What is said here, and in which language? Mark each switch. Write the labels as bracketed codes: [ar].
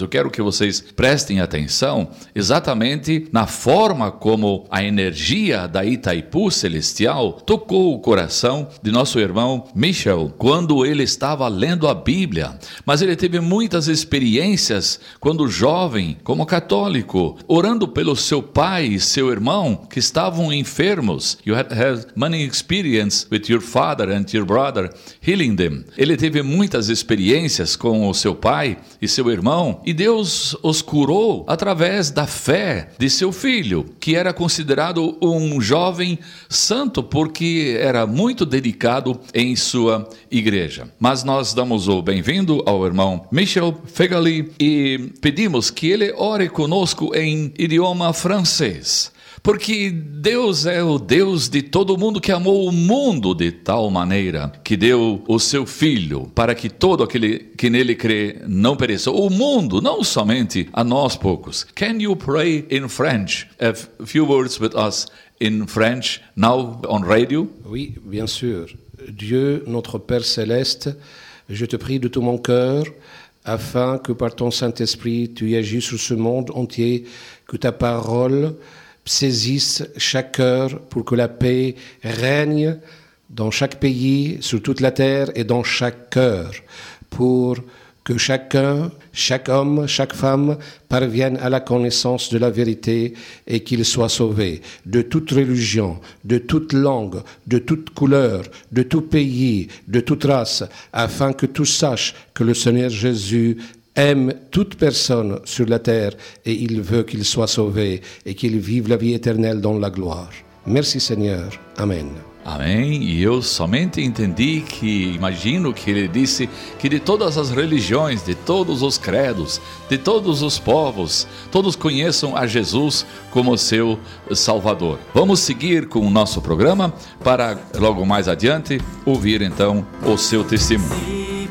[pt] Eu quero que vocês prestem atenção exatamente na forma como a energia da Itaipu Celestial tocou o coração de nosso irmão Michel quando ele estava lendo a Bíblia. Mas ele teve muitas experiências quando jovem, como católico, orando pelo seu pai e seu irmão que estavam enfermos. [en] You had many experiences with your father and your brother healing them. [pt] Ele teve muitas experiências com o seu pai e seu irmão, e Deus os curou através da fé de seu filho, que era considerado um jovem santo porque era muito dedicado em sua igreja. Mas nós damos o bem-vindo ao irmão Michel Fegali e pedimos que ele ore conosco em idioma francês. Porque Deus é o Deus de todo mundo que amou o mundo de tal maneira que deu o seu Filho para que todo aquele que nele crê não pereça. O mundo, não somente a nós poucos. [en] Can you pray in French? A few words with us in French now on radio? [fr] Oui, bien sûr. Dieu, notre Père céleste, je te prie de tout mon cœur, afin que par ton Saint-Esprit tu agisses sur ce monde entier, que ta parole saisissent chaque cœur pour que la paix règne dans chaque pays, sur toute la terre et dans chaque cœur, pour que chacun, chaque homme, chaque femme parvienne à la connaissance de la vérité et qu'il soit sauvé de toute religion, de toute langue, de toute couleur, de tout pays, de toute race, afin que tous sachent que le Seigneur Jésus aime toute personne sur la terre et il veut qu'il soit sauvé et qu'il vive la vie éternelle dans la gloire. Merci Seigneur. Amen. [pt] Amém. E eu somente entendi que, imagino que ele disse que de todas as religiões, de todos os credos, de todos os povos, todos conheçam a Jesus como seu Salvador. Vamos seguir com o nosso programa para, logo mais adiante, ouvir então o seu testemunho.